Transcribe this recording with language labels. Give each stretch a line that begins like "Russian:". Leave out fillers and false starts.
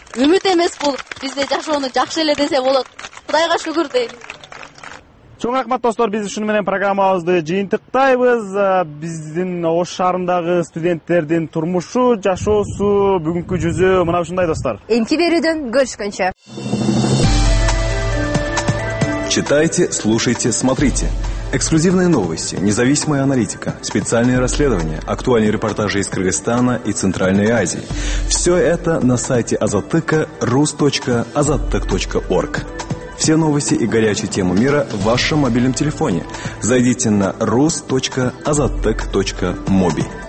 Kyrgyz: Үмүт эмес бул, бизде жашоону жакшы эле десе болот. Кудайга шүгүр дейли. Чоң рахмат достор, биз ушуну менен программабызды жыйынтыктайбыз. Биздин Ош шаарындагы студенттердин турмушу, жашоосу, бүгүнкү жүзү мына ушундай достор. Эмки берүүдөн көрүшкөнчө.
Russian: Читайте, слушайте, смотрите. Эксклюзивные новости, независимая аналитика, специальные расследования, актуальные репортажи из Кыргызстана и Центральной Азии. Все это на сайте azatyk.ru/azatyk.org. Все новости и горячие темы мира в вашем мобильном телефоне. Зайдите на rus.azatek.mobi.